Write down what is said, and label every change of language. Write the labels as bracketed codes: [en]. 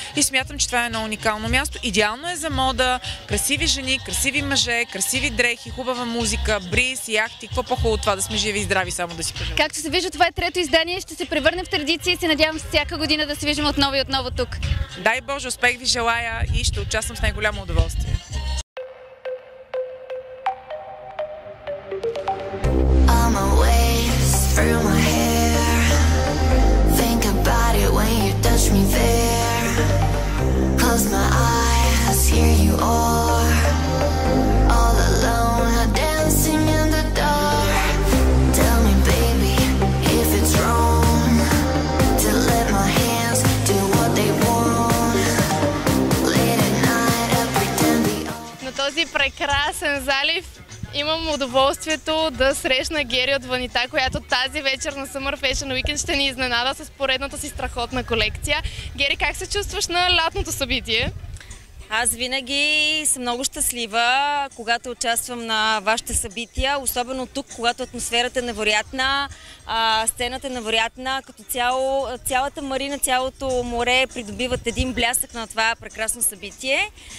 [bg] И смятам, че това е едно уникално място. Идеално е за мода, красиви жени, красиви мъже, красиви дрехи, хубава музика, бриз, яхти. Какво по-хубаво това да сме живи и здрави, само да си пожелаем. Както се вижда, това е трето издание, ще се превърне в традиция и се надявам всяка година да се виждам отново и отново тук. Дай Боже, успех ви желая и ще участвам с най-голямо удоволствие. [en] Through my hair, think about it when you touch me there. Close my eyes, here you are. All alone, dancing in the dark. Tell me, baby, if it's wrong to let my hands do what they want. Late at night, I pretend the... [bg] На този прекрасен залив имам удоволствието да срещна Гери от Ванита, която тази вечер на Summer Fashion Weekend ще ни изненада с поредната си страхотна колекция. Гери, как се чувстваш на лятното събитие? Аз винаги съм много щастлива, когато участвам на вашите събития, особено тук, когато атмосферата е невероятна, сцената е невероятна, като цяло, цялата Марина, цялото море придобиват един блясък на това прекрасно събитие.